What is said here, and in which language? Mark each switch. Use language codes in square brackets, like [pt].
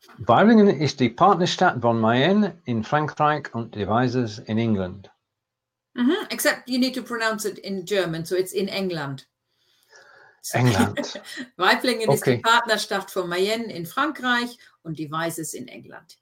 [de] Vaihmelingen ist die Partnerstadt von Mayenne in Frankreich und die Weisers in England. Mm-hmm. [en] Except you need to pronounce it in German, so it's in England. England. [de] Vaihmelingen ist die Partnerstadt von Mayenne in Frankreich und die Weisers in England.